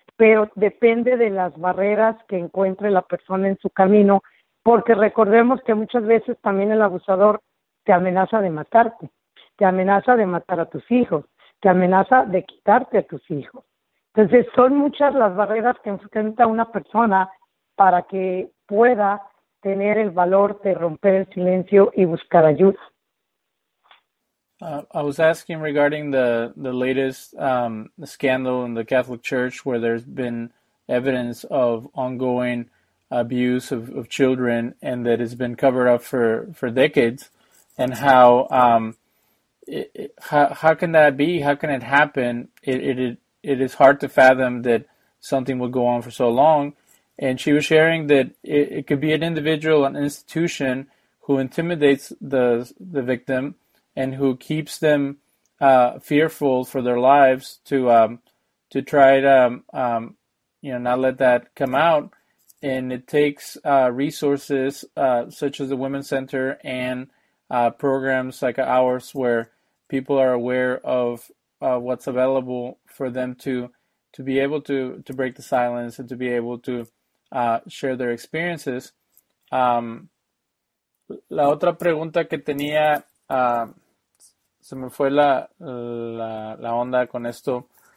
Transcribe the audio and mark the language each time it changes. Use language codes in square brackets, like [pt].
[es] Pero depende de las barreras que encuentre la persona en su camino, porque recordemos que muchas veces también el abusador te amenaza de matarte, te amenaza de matar a tus hijos, te amenaza de quitarte a tus hijos. Entonces son muchas las barreras que enfrenta una persona para que pueda tener el valor de romper el silencio y buscar ayuda. [en] I was asking regarding the latest scandal in the Catholic Church where there's been evidence of ongoing abuse of children and that has been covered up for decades, and how can that be? How can it happen? It is hard to fathom that something would go on for so long. And she was sharing that it could be an individual, an institution who intimidates the victim. And who keeps them fearful for their lives to try to not let that come out. And it takes resources such as the Women's Center and programs like ours where people are aware of what's available for them to be able to break the silence and to be able to share their experiences. [es] La otra pregunta que tenía se me fue la onda con esto.